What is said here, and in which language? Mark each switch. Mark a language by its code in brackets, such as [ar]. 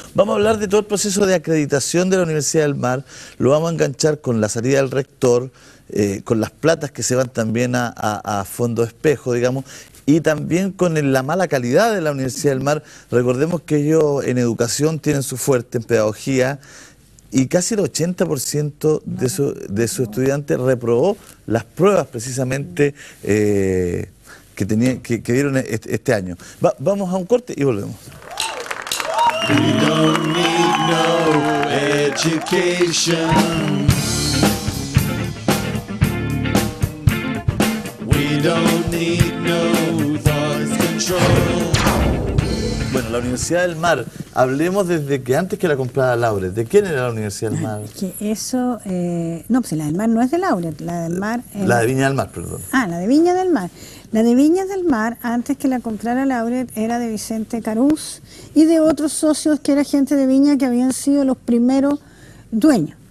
[es] Vamos a hablar de todo el proceso de acreditación de la Universidad del Mar. Lo vamos a enganchar con la salida del rector, con las platas que se van también a fondo espejo, digamos, y también con la mala calidad de la Universidad del Mar. Recordemos que ellos en educación tienen su fuerte, en pedagogía, y casi el 80% de su estudiante reprobó las pruebas precisamente que dieron este año. Vamos a un corte y volvemos. [en] We don't need no education. We don't need no thought control. [es] Bueno, la Universidad del Mar, hablemos desde que antes que la comprara Laure. ¿De quién era la Universidad del Mar? Que eso, no, pues la del Mar no es de Laure, la del Mar... La de Viña del Mar, perdón. Ah, la de Viña del Mar. La de Viña del Mar, antes que la comprara Laure, era de Vicente Carús y de otros socios que era gente de Viña, que habían sido los primeros dueños.